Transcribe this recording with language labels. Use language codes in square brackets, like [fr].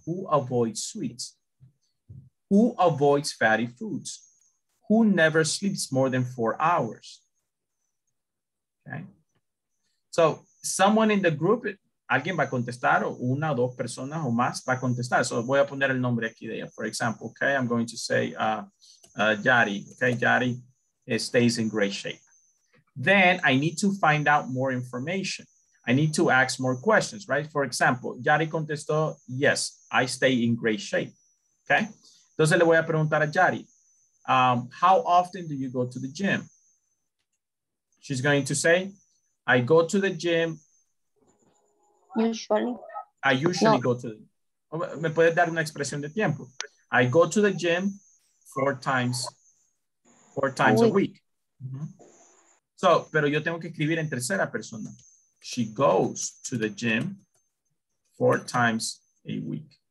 [en] Who avoids sweets? Who avoids fatty foods? Who never sleeps more than 4 hours? Okay. So someone in the group, [es] alguien va a contestar, o una o dos personas o más va a contestar. So voy a poner el nombre aquí de ella. [en] For example, okay, I'm going to say Yari. Okay, Yari stays in great shape. Then I need to find out more information. I need to ask more questions, right? For example, Yari contestó, yes, I stay in great shape. Okay. [es] Entonces le voy a preguntar a Yari, [en] how often do you go to the gym? She's going to say, I go to the gym. Usually. I usually go to the gym. [es] Me puedes dar una expresión de tiempo. [en] I go to the gym four times a week. Mm-hmm. [es] So, pero yo tengo que escribir en tercera persona. [en] She goes to the gym 4 times a week.